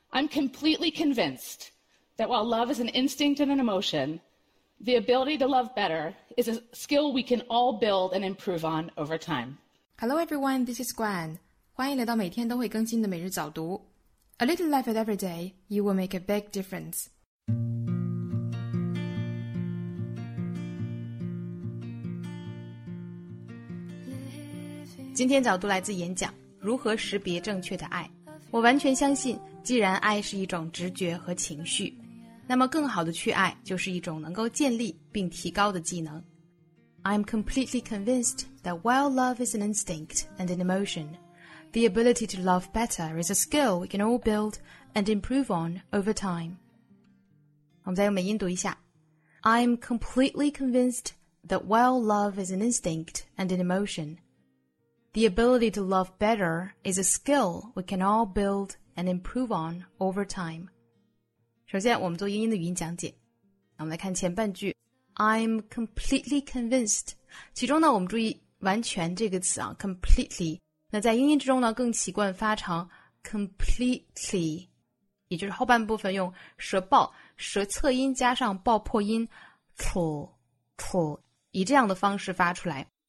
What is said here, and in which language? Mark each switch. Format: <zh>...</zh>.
<en>I'm completely convinced that while love is an instinct and an emotion, the ability to love better is a skill we can all build and improve on over time. Hello everyone, this is Gwen.</en> <zh>欢迎来到每天都会更新的每日早读。</zh> <en>A little life at every day, you will make a big difference. Living...</en> <zh>今天早读来自演讲，如何识别正确的爱。我完全相信，既然爱是一种直觉和情绪，那么更好的去爱就是一种能够建立并提高的技能。</zh> <en>I'm completely convinced that while love is an instinct and an emotion, the ability to love better is a skill we can all build and improve on over time.</en> <zh>我们再用美音读一下。</zh> <en>I'm completely convinced that while love is an instinct and an emotion,The ability to love better is a skill we can all build and improve on over time.</en> <zh>首先我们做英音的语音讲解。我们来看前半句。</zh> <en>I'm completely convinced.</en> <zh>其中呢我们注意完全这个词啊 completely. 那在英音之中呢更习惯发成 completely. 也就是后半部分用舌爆舌侧音加上爆破音 tl, 以这样的方式发出来。</zh>